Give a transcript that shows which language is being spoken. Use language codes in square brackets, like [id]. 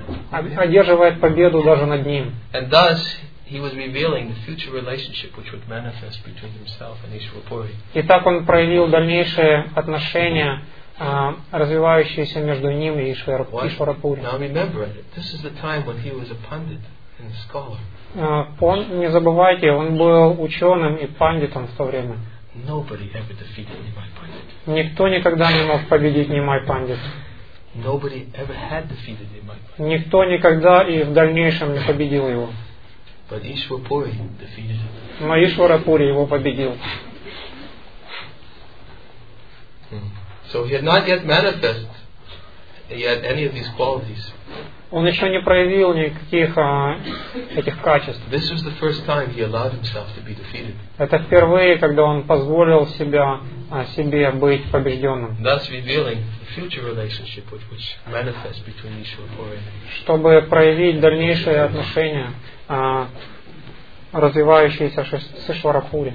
[ru] Одерживает победу даже над ним. [en] And thus he was revealing the future relationship which would manifest between himself and Ishwara Puri. [ru] И так он проявил дальнейшие отношения, развивающиеся между ним и Ишвара Пури. [en] Now remember, this is the time when he was a pundit and a scholar. [ru] Не забывайте, он был ученым и пандитом в то время. [en] Nobody ever defeated Nimai Pandit. [ru] Никто никогда не мог победить Нимай Пандит. [en] Nobody ever had defeated him. [ru] Никто никогда и в дальнейшем не победил его. [en] But Ishwara Puri defeated him. [ru] Но Ишвара Пури его победил. [en] So he had not yet manifested yet any of these qualities. [ru] Он еще не проявил никаких этих качеств. [en] This was the first time he allowed himself to be defeated. [ru] Это впервые, когда он позволил себе быть побежденным. [en] Thus revealing the future relationship which manifests between Ishwara Puri. [ru] Чтобы проявить дальнейшие отношения, развивающиеся с Ишвара Пури.